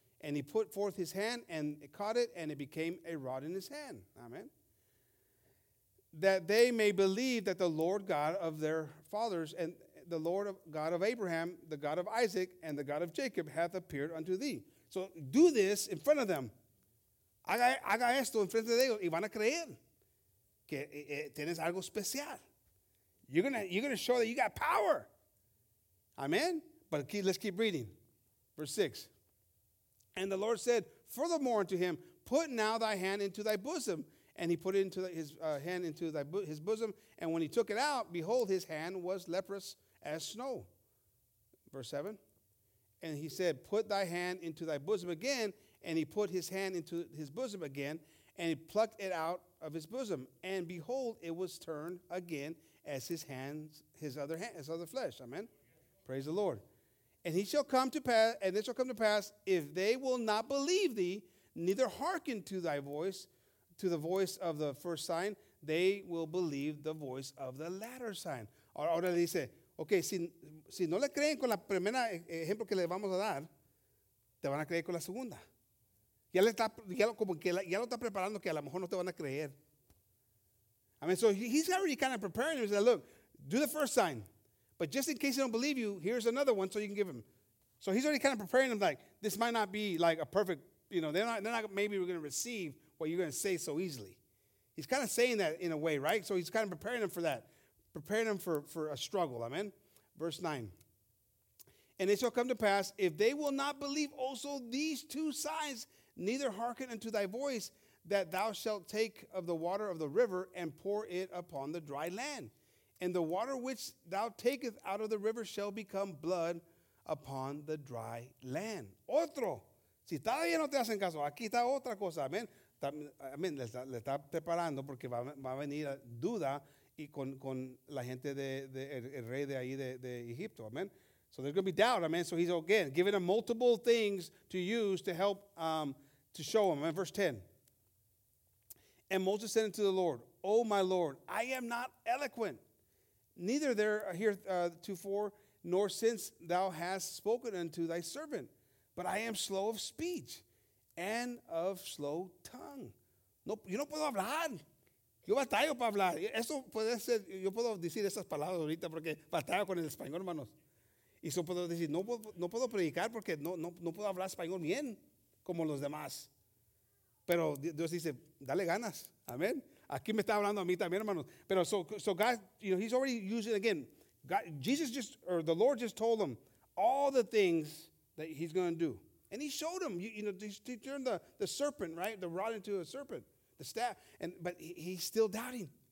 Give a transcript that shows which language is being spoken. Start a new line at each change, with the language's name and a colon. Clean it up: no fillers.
English: And he put forth his hand and it caught it, and it became a rod in his hand. Amen. That they may believe that the Lord God of their fathers and the Lord of God of Abraham, the God of Isaac, and the God of Jacob hath appeared unto thee. So do this in front of them.
Spanish: Haga esto en frente de ellos. Y van a creer que tienes algo especial.
English: You're gonna show that you got power. Amen. But let's keep reading. Verse 6. And the Lord said furthermore unto him, put now thy hand into thy bosom. And he put it into his bosom. And when he took it out, behold, his hand was leprous as snow. Verse 7. And he said, put thy hand into thy bosom again. And he put his hand into his bosom again. And he plucked it out of his bosom. And behold, it was turned again as his other flesh. Amen. Praise the Lord. And he shall come to pass, and it shall come to pass, if they will not believe thee, neither hearken to thy voice, to the voice of the first sign, they will believe the voice of the latter sign.
Spanish: Ahora le dice, okay, si no le creen con la primera ejemplo que le vamos a dar, te van a creer con la segunda. Ya le está, ya lo, como que la, ya lo está preparando que a lo mejor no te van a creer.
English: I mean, so he's already kind of preparing. He said, look, do the first sign. But just in case they don't believe you, here's another one so you can give him. So he's already kind of preparing them, like, this might not be like a perfect, you know, they're not maybe we're going to receive what you're going to say so easily. He's kind of saying that in a way, right? So he's kind of preparing them for that, preparing them for a struggle. Amen. Verse 9. And it shall come to pass, if they will not believe also these two signs, neither hearken unto thy voice, that thou shalt take of the water of the river and pour it upon the dry land. And the water which thou takest out of the river shall become blood upon the dry land.
Spanish: Otro. Si todavía no te hacen caso, aquí está otra cosa. Amén. Amén. Le está preparando porque va a venir duda y con la gente de el rey de ahí de Egipto.
English: Amén. So there's going to be doubt. Amén. So he's again giving them multiple things to use to help to show them. Amen. Verse 10. And Moses said unto the Lord, O my Lord, I am not eloquent. Neither there here tofore, nor since thou hast spoken unto thy servant. But I am slow of speech and of slow tongue.
Spanish: No, yo no puedo hablar. Yo batallo para hablar. Eso puede ser, yo puedo decir esas palabras ahorita porque batallo con el español, hermanos. Y eso puedo decir, no puedo predicar porque no puedo hablar español bien como los demás. Pero Dios dice, dale ganas. Amén. Aquí me está hablando a mí también, hermanos.
English: Pero so God, you know, he's already using again. God, Jesus just, or the Lord just told him all the things that he's going to do. And he showed him, he turned the serpent, right? The rod into a serpent, the staff. But he's still doubting.